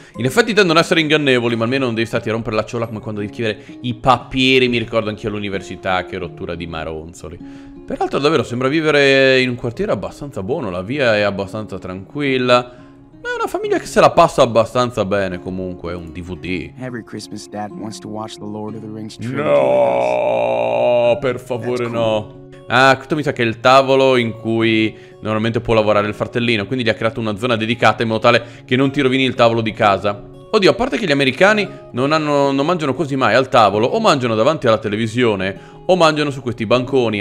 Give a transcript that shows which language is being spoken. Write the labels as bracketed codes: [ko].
[it] In effetti tendono ad essere ingannevoli, ma almeno non devi starti a rompere la ciola come quando devi scrivere i papiri. Mi ricordo anch'io all'università, che rottura di maronzoli. Peraltro davvero sembra vivere in un quartiere abbastanza buono. La via è abbastanza tranquilla. Ma è una famiglia che se la passa abbastanza bene comunque. Un DVD. [en] Every Christmas dad wants to watch the Lord of the Rings. [it] No, per favore no. Ah, questo mi sa che è il tavolo in cui normalmente può lavorare il fratellino. Quindi gli ha creato una zona dedicata in modo tale che non ti rovini il tavolo di casa. Oddio, a parte che gli americani non mangiano quasi mai al tavolo, o mangiano davanti alla televisione, o mangiano su questi banconi.